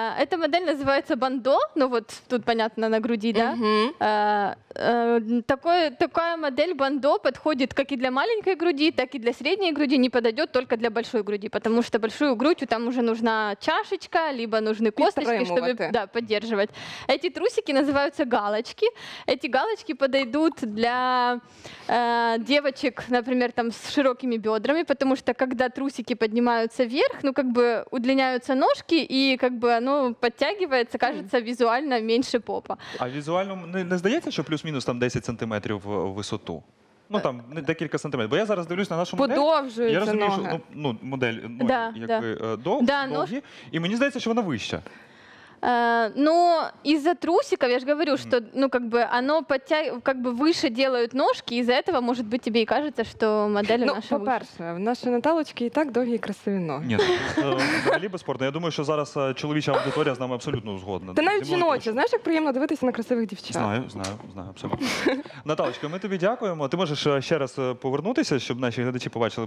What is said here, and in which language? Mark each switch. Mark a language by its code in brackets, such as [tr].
[uk] Ця модель називається бандо. Ну, от тут, понятно, на груді, да? [ru] Такая модель бандо подходит как и для маленькой груди, так и для средней груди, не подойдет только для большой груди, потому что большую грудь там уже нужна чашечка, либо нужны косточки, чтобы да, поддерживать. Эти трусики называются галочки. Эти галочки подойдут для девочек, например, там, с широкими бедрами, потому что когда трусики поднимаются вверх, ну как бы удлиняются ножки, и как бы оно подтягивается, кажется визуально меньше попа. [uk] А [ru] визуально [uk] не здається, что плюс-мінус там 10 сантиметрів в висоту. Ну там декілька сантиметрів. Бо я зараз дивлюсь на нашу модель. Подовжується. Я розумію, нога. Що ну, модель ноги, да, якби да. Довгі. І мені здається, що вона вища. [ru] Но из-за трусиков, я же говорю, что, ну, как бы, оно подтягивает, как бы, выше делают ножки, из-за этого, может быть, тебе и кажется, что модель наша выше. [uk] Ну, по-перше, [ru] в нашей [uk] Наталочке и так довгие красивые ноги. Нет, взагалі безспорно. [ru] Я думаю, что [uk] зараз чоловіча аудитория з нами абсолютно згодна. Ти навіть жіноча, знаєш, як приємно дивитися на красивих дівчат. Знаю, абсолютно. Наталочка, ми тобі дякуємо. Ти можеш ще раз повернутися, щоб наші глядачі побачили.